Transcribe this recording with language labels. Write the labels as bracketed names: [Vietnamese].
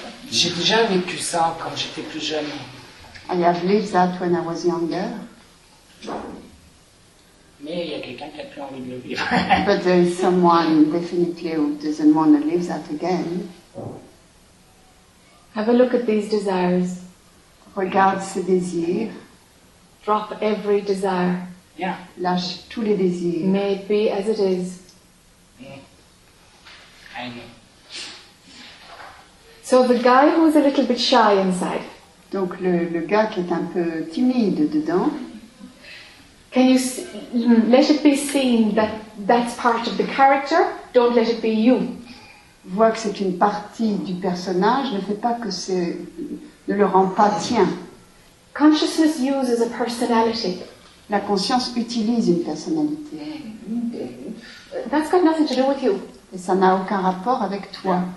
[French] J'ai déjà vécu ça quand j'étais plus jeune. [English] I have lived that when I was younger. [French] Mais il y a quelqu'un qui a plus envie de le vivre. [English] But there is someone definitely who doesn't want to live that again. Have a look at these desires. [French] Regarde ces désirs. [English] Drop every desire. Yeah. [French] Lâche tous les désirs. [English] May it be as it is. So the guy who is a little bit shy inside. [French] Donc le gars qui est un peu timide dedans. [English] Can you let it be seen that that's part of the character? Don't let it be you. [French] Vois que c'est une partie du personnage. Ne fais pas que c'est ne le rend pas tien. [English] Consciousness uses a personality. [French] La conscience utilise une personnalité. [English] That's got nothing to do with you. [French] Et ça n'a aucun rapport avec toi.